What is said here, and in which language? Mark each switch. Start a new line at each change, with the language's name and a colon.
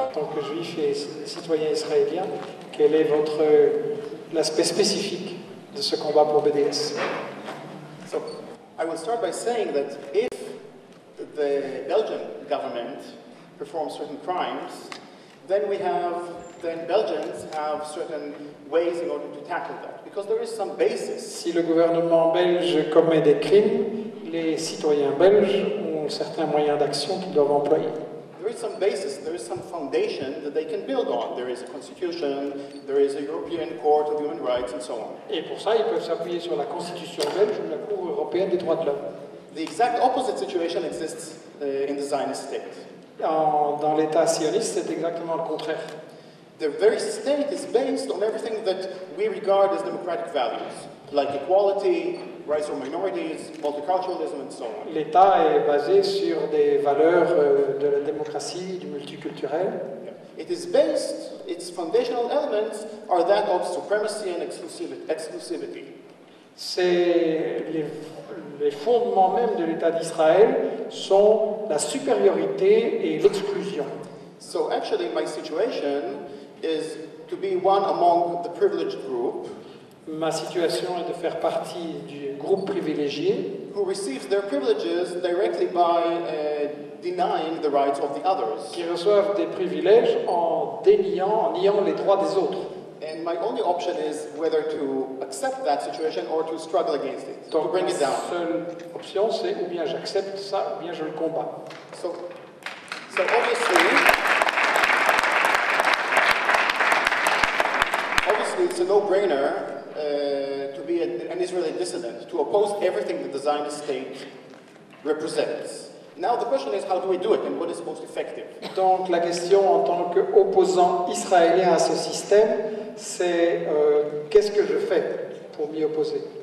French: En tant que juif et citoyen israélien, quel est votre l'aspect spécifique de ce combat pour BDS?
English: I will start by saying that if the Belgian government performs certain crimes, then Belgians have certain ways in order to tackle that, because there is some basis.
French: Si le gouvernement belge commet des crimes, les citoyens belges ont certains moyens d'action qu'ils doivent employer.
English: There is some basis, there is some foundation that they can build on. There is a constitution, there is a European Court of Human Rights, and so on.
French: Et pour ça, ils peuvent s'appuyer sur la constitution belge ou la Cour européenne des droits de l'homme.
English: The exact opposite situation exists in the Zionist state.
French: Dans l'État sioniste, c'est exactement le contraire.
English: The very state is based on everything that we regard as democratic values, like equality, rights for minorities, multiculturalism, and so on.
French: L'État est basé sur des valeurs de la démocratie, du multiculturel.
English: Yeah. It is based, its foundational elements are that of supremacy and exclusivity.
French: C'est les fondements même de l'État d'Israël sont la supériorité et l'exclusion.
English: So actually my situation is to be one among the privileged group.
French: Ma situation est de faire partie du groupe privilégié
English: who receives their privileges directly by denying the rights of the others.
French: Qui reçoivent des privilèges en déniant, en niant les droits des autres.
English: And my only option is whether to accept that situation or to struggle against it,
French: donc,
English: to bring it down.
French: Ma seule option, c'est ou bien j'accepte ça, ou bien je le combats.
English: So obviously. Obviously, it's a no-brainer. To be an Israeli dissident, to oppose everything that the Zionist state represents. Now the question is, how do we do it, and what is most effective?
French: Donc la question en tant qu'opposant israélien à ce système, c'est qu'est-ce que je fais pour m'y opposer?